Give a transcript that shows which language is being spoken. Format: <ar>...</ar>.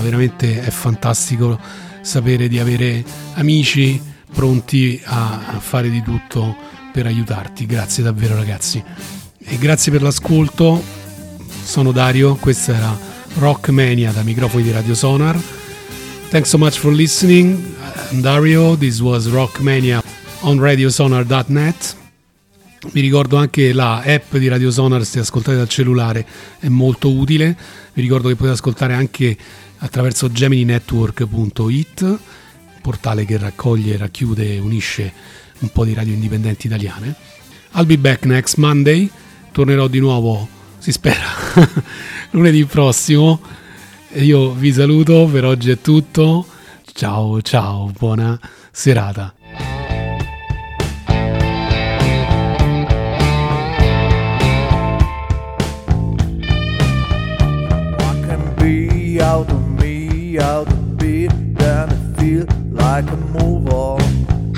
<it>Veramente è fantastico sapere di avere amici pronti a fare di tutto per aiutarti. Grazie davvero, ragazzi, e grazie per l'ascolto. Sono Dario, questa era Rockmania da microfoni di Radio Sonar.</it> <en>Thanks so much for listening. I'm Dario, this was Rockmania on radiosonar.net.</en> <it>Vi ricordo anche la app di Radio Sonar, se ascoltate dal cellulare è molto utile. Vi ricordo che potete ascoltare anche attraverso gemininetwork.it, portale che raccoglie, racchiude, unisce un po' di radio indipendenti italiane.</it> <en>I'll be back next Monday.</en> <it>Tornerò di nuovo, si spera, lunedì prossimo. E io vi saluto, per oggi è tutto. Ciao, ciao, buona serata.</it> <en>What can be out of me, out of me, then I feel like a move on.</en>